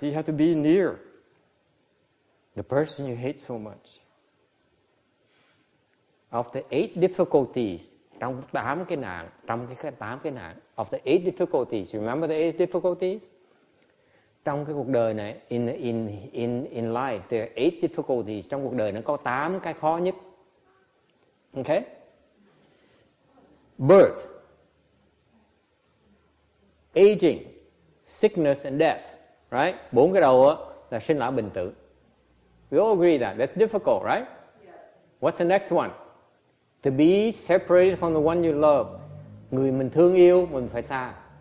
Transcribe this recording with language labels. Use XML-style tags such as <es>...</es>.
<en>You have to be near the person you hate so much. Of the eight difficulties, of the eight difficulties, remember the eight difficulties?</en> <vi>Trong cái cuộc đời này,</vi> <en>in life, there are eight difficulties.</en> <vi>Trong cuộc đời nó có tám cái khó nhất. Okay?</vi> <en>Birth, aging, sickness and death. Right?</en> <vi>Bốn cái đầu là sinh lão bệnh tử.</vi> <en>We all agree that. That's difficult, right? Yes. What's the next one? To be separated from the one you love.</en> <vi>Người mình thương yêu, mình phải xa.</vi>